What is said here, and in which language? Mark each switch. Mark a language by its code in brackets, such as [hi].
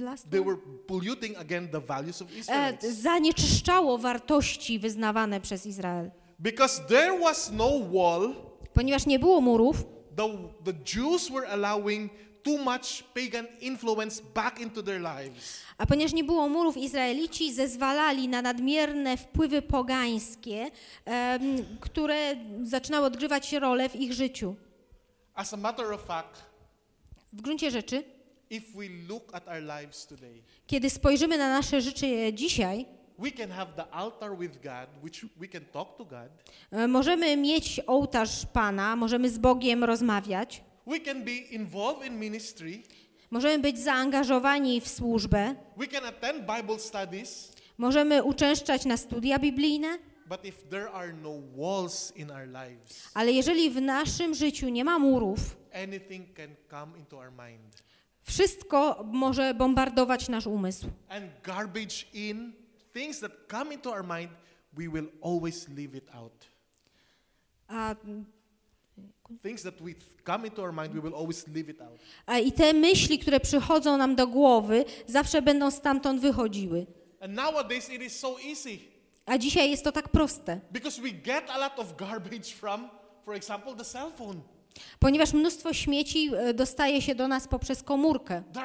[en] they were polluting again the values of Israel. [pl] Zanieczyszczało wartości wyznawane przez Izrael. [en] Because there was no wall. [pl] Ponieważ nie było murów. [en] The Jews were allowing too much pagan influence back into their lives. [pl] A ponieważ nie było murów, Izraelici zezwalali na nadmierne wpływy pogańskie, które zaczynały odgrywać rolę w ich życiu. [en] As a matter of fact, [pl] w gruncie rzeczy, [en] if we look at our lives today, [pl] kiedy spojrzymy na nasze życie dzisiaj, [en] we can have the altar with God, which we can talk to God. [pl] Możemy mieć ołtarz Pana, możemy z Bogiem rozmawiać. [en] We can be involved in ministry. [pl] Możemy być zaangażowani w służbę. [en] We can attend Bible studies. [pl] Możemy uczęszczać na studia biblijne. [en] But if there are no walls in our lives, [pl] ale jeżeli w naszym życiu nie ma murów, [en] anything can come into our mind. [pl] Wszystko może bombardować nasz umysł. [en] And garbage in things that come into our mind, we will always leave it out. Things that we come into our mind, we will always leave it out. [pl] I te myśli, które przychodzą nam do głowy, zawsze będą stamtąd wychodziły. [en] And nowadays it is so easy. [pl] A dzisiaj jest to tak proste. [en] Because we get a lot of garbage from, for example, the cell phone. [pl] Ponieważ mnóstwo śmieci dostaje się do nas poprzez komórkę.